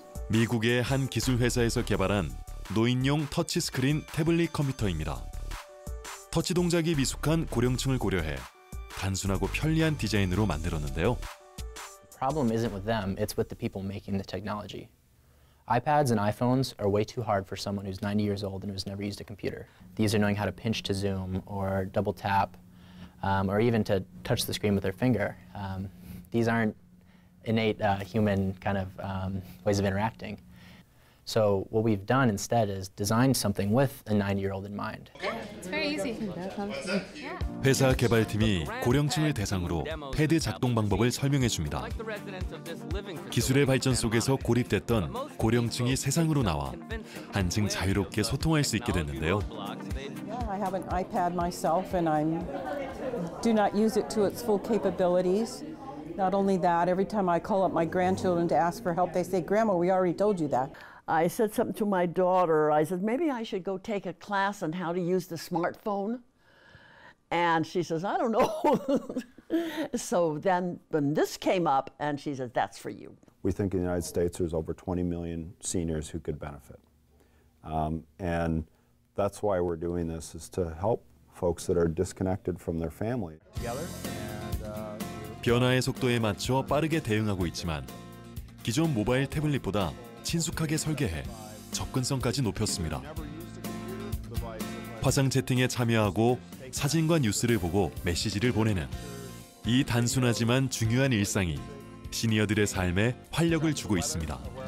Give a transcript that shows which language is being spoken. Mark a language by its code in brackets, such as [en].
[ko] 미국의 한 기술 회사에서 개발한 노인용 터치스크린 태블릿 컴퓨터입니다. 터치 동작이 미숙한 고령층을 고려해 단순하고 편리한 디자인으로 만들었는데요. [en] The problem isn't with them, it's with the people making the technology. iPads and iPhones are way too hard for someone who's 90 years old and who's never used a computer. These are knowing how to pinch to zoom or double tap or even to touch the screen with their finger. These aren't innate human kind of ways of interacting. So what we've done instead is designed something with a 90-year-old in mind. It's very easy. [ko] 회사 개발팀이 고령층을 대상으로 패드 작동 방법을 설명해 줍니다. 기술의 발전 속에서 고립됐던 고령층이 세상으로 나와 한층 자유롭게 소통할 수 있게 됐는데요. [en] I have an iPad myself and I do not use it to its full capabilities. Not only that, every time I call up my grandchildren to ask for help, they say, "Grandma, we already told you that." I said something to my daughter. I said, "Maybe I should go take a class on how to use the smartphone." And she says, "I don't know." So then when this came up, and she says, "That's for you." We think in the United States there's over 20 million seniors who could benefit. And that's why we're doing this, is to help folks that are disconnected from their family. [ko] 변화의 속도에 맞춰 빠르게 대응하고 있지만 기존 모바일 태블릿보다 친숙하게 설계해 접근성까지 높였습니다. 화상 채팅에 참여하고 사진과 뉴스를 보고 메시지를 보내는 이 단순하지만 중요한 일상이 시니어들의 삶에 활력을 주고 있습니다.